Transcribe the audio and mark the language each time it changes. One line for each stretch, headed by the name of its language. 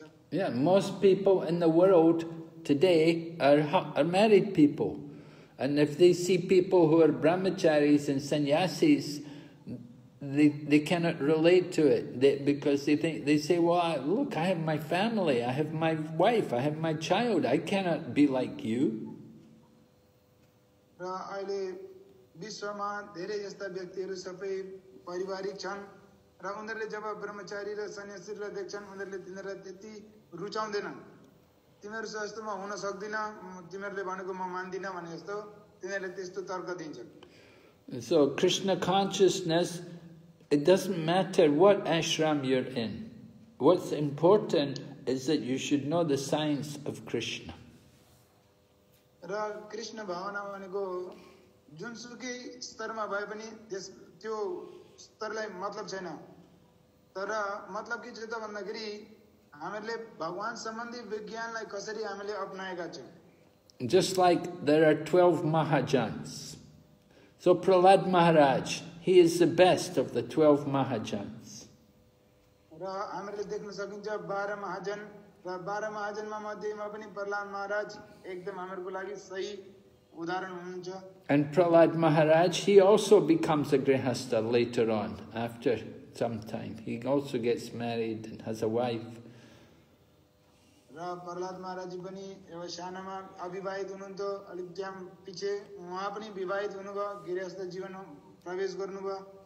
English: Yeah, most people in the world today are married people. And if they see people who are brahmacharis and sannyasis, they cannot relate to it because they say, well, look, I have my family, I have my wife, I have my child, I cannot be like you.
Nepali: अहिले विश्वमा धेरै यस्ता व्यक्तिहरू सबै पारिवारिक छन् र उनीहरूले जब ब्रह्मचारी र सन्यासी र देख्छन् उनीहरूले तिनीहरूलाई त्यति रुचाउँदैनन् तिमीहरू जस्तो म हुन सक्दिन तिमीहरूले भनेको म मान्दिन भने जस्तो तिनीहरूले त्यस्तो तर्क दिन्छन्
English: so Krishna consciousness it doesn't matter what ashram you're in what's important is that you should know the science of Krishna
Nepali: र कृष्ण भावना भनेको जुनसुकै स्तरमा भए पनि त्यस त्यो स्तरलाई मतलब छैन तर मतलब के छ त भन्दाखेरि हामीले भगवान सम्बन्धी विज्ञानलाई कसरी हामीले अपनाएका छौँ
English: just like there are 12 mahajans so Prahlad Maharaj he is the best of the 12 mahajans
Nepali: र हामीले देख्न सकिन्छ 12 महाजन र 12 महाजन्म मध्येमा पनि प्रह्लाद महाराज एकदम हाम्रो लागि सही उदाहरण हुनुहुन्छ
English: and Prahlad Maharaj he also becomes a grihastha later on after some time he also gets married and has a wife
Nepali: र प्रह्लाद महाराज पनि एउटा सानोमा अविवाहित हुनुहुन्थ्यो अलिक टाइम पछि उहाँ पनि विवाहित हुनुभयो गृहस्थ जीवन प्रवेश गर्नुभयो